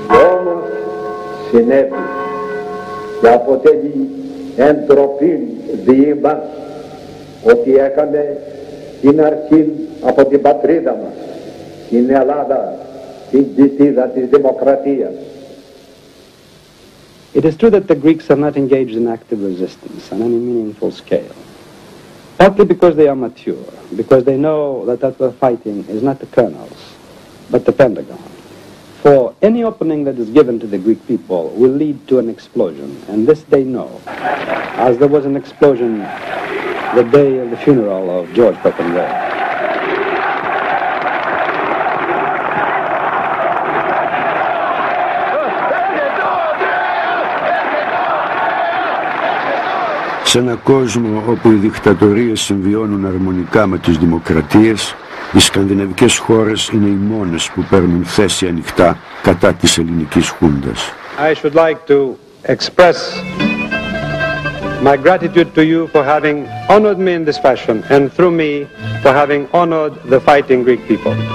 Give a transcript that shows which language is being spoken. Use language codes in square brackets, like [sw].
[el] Όμως συνέβη και αποτελεί εντροπή διήμας ότι έκαμε την αρχή από την πατρίδα μας, την Ελλάδα, την κοιτίδα της δημοκρατίας. [en] It is true that the Greeks are not engaged in active resistance on any meaningful scale. Partly because they are mature, because they know that what we're fighting is not the colonels, but the Pentagon. For any opening that is given to the Greek people will lead to an explosion, and this they know, as there was an explosion the day of the funeral of George Papandreou. [el] Σε ένα κόσμο όπου οι δικτατορίες συμβιώνουν αρμονικά με τις δημοκρατίες, οι σκανδιναβικές χώρες είναι οι μόνες που παίρνουν θέση ανοιχτά κατά της ελληνικής χούντας. [en] I should like to express my gratitude to you for having honored me in this fashion and through me for having honored the fighting Greek people.